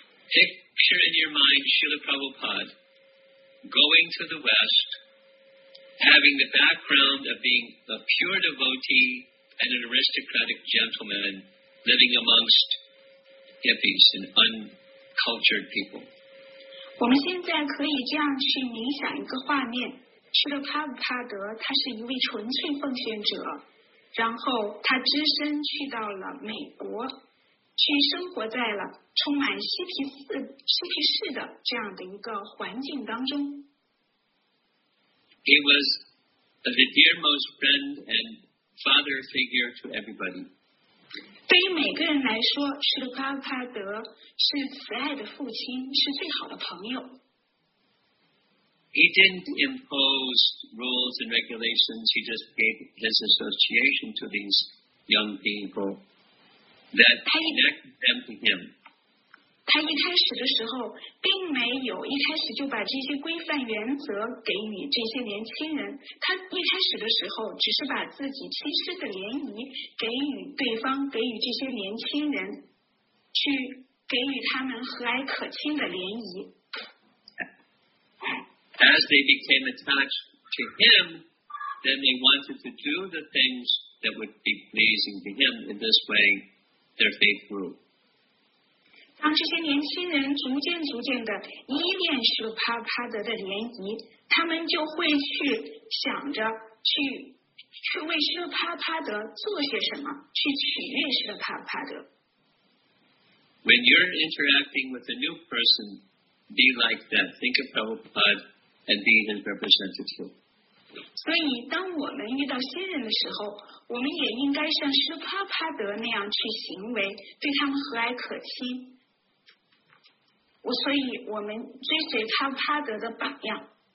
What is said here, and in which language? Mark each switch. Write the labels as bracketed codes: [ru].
[en] Picture in your mind Srila Prabhupada going to the West, having the background of being a pure devotee and an aristocratic gentleman living amongst hippies and uncultured people. [zh] 我们现在可以这样去冥想一个画面，释迦帕布帕德他是一位纯粹奉献者，然后他只身去到了美国，去生活在了充满嬉皮士的这样的一个环境当中。 [en] He was the dearmost friend and father figure to everybody. [zh] 对于每个人来说，释迦帕布帕德是慈爱的父亲，是最好的朋友。 [en] He didn't impose rules and regulations. He just gave his association to these young people that connected them to him. [zh] 他一开始的时候并没有一开始就把这些规范原则给予这些年轻人。他一开始的时候只是把自己亲身的联谊给予对方，给予这些年轻人，去给予他们和蔼可亲的联谊。 [en] As they became attached to him, then they wanted to do the things that would be pleasing to him. In this way, their faith grew. [zh] 当这些年轻人逐渐逐渐的依恋舍帕帕德的联谊，他们就会去想着去为舍帕帕德做些什么，去取悦舍帕帕德。 [en] When you're interacting with a new person, be like that. Think of Prabhupada. And be his representative. [zh] 所以当我们遇到新人的时候，我们也应该像施帕帕德那样去行为，对他们和蔼可亲。所以我们追随帕帕德的榜样。